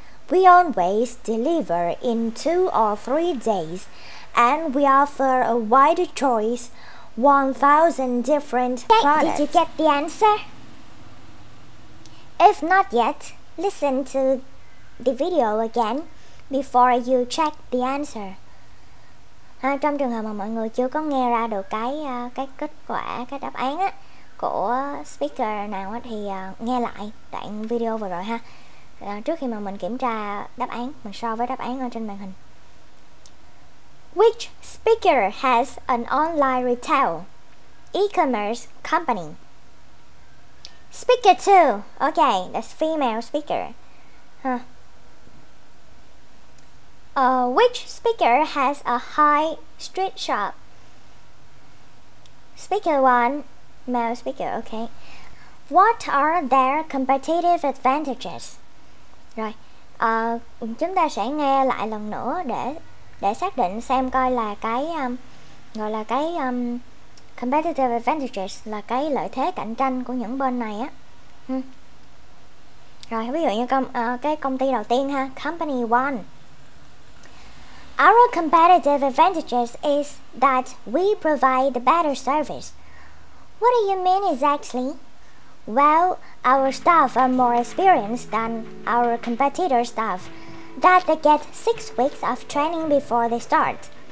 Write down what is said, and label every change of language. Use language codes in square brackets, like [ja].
[en] We always deliver in 2 or 3 days, and we offer a wide choice, 1,000 different products. Did you get the answer? If not yet, listen to the video again before you check the answer. [vi] À, trong trường hợp mà mọi người chưa có nghe ra được cái kết quả, cái đáp án á của speaker nào á, thì nghe lại đoạn video vừa rồi ha. Trước khi mà mình kiểm tra đáp án, mình so với đáp án ở trên màn hình. [en] Which speaker has an online retail e-commerce company? Speaker 2. Okay, that's female speaker. Huh. Which speaker has a high street shop? Speaker 1. Male speaker, okay. What are their competitive advantages? [vi] Rồi, chúng ta sẽ nghe lại lần nữa để xác định xem coi là cái gọi là cái competitive advantages là cái lợi thế cạnh tranh của những bên này á. Rồi, ví dụ như cái công ty đầu tiên ha, Company One. [en] Our competitive advantages is that we provide better service. What do you mean exactly? Well, our staff are more experienced than our competitor staff, that they get 6 weeks of training before they start,